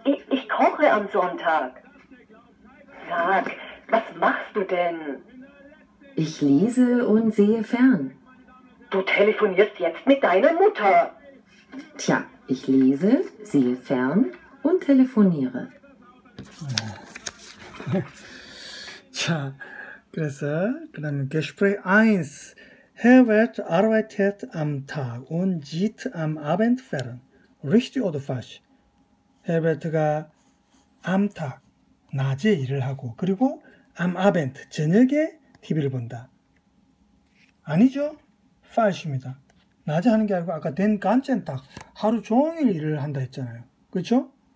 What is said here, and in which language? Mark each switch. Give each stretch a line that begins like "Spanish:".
German: Ich koche am Sonntag. Sag, was machst du denn? Ich lese und sehe fern. Du telefonierst jetzt mit deiner Mutter. Tja, ich lese, sehe fern und telefoniere.
Korean: 자, 그래서 그다음 Gespräch 1.
German: Herbert arbeitet am Tag und sieht am Abend fern. Richtig oder falsch?
Korean: Herbert가
German: am Tag
Korean: 낮에 일을 하고 그리고
German: am Abend
Korean: 저녁에 TV를 본다. 아니죠? 팔십니다. 낮에 하는 게 아니고 아까 된 간첸 딱 하루 종일 일을 한다 했잖아요. 그렇죠?